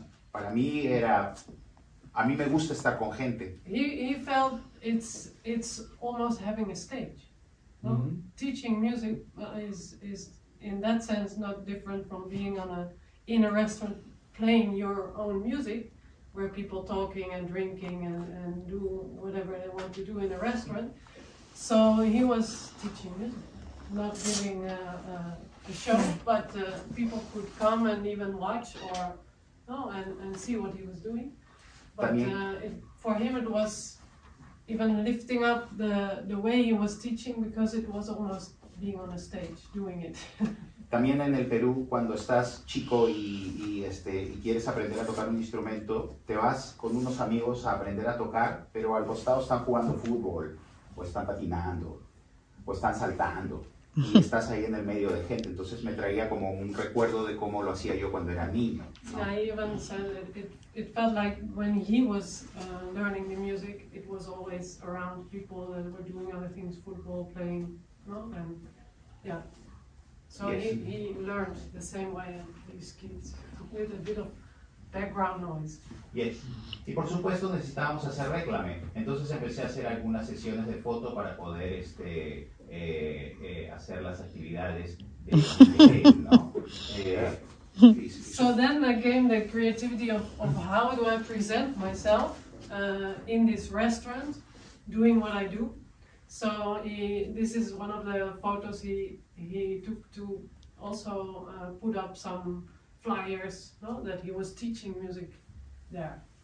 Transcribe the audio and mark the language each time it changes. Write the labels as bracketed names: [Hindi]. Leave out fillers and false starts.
[Spanish] Para mí era, a mí me gusta estar con gente. [English] He felt it's almost having a stage. No? Mm-hmm. Teaching music is in that sense not different from being on a in a restaurant playing your own music, where people talking and drinking and do whatever they want to do in a restaurant. So he was teaching music, not giving a show, but people could come and even watch or. And see what he was doing, but for him it was even lifting up the way he was teaching because it was almost being on a stage doing it. [Spanish] También en el Perú cuando estás chico y quieres aprender a tocar un instrumento te vas con unos amigos a aprender a tocar, pero al costado están jugando fútbol o están patinando o están saltando y estás ahí en el medio de gente, entonces me traía como un recuerdo de cómo lo hacía yo cuando era niño. [English] Yeah, I even said that it felt like when he was learning the music, it was always around people that were doing other things, football, playing, no? And yeah, so yes. He learned the same way as these kids, with a bit of background noise. [Spanish] Yes, y por supuesto necesitábamos hacer réclame, entonces empecé a hacer algunas sesiones de foto para poder hacer las actividades de [English] game, ¿no? So then again, the creativity of how do I present myself in this restaurant, doing what I do. So this is one of the photos he took to also put up some flyers, no, that he was teaching music there.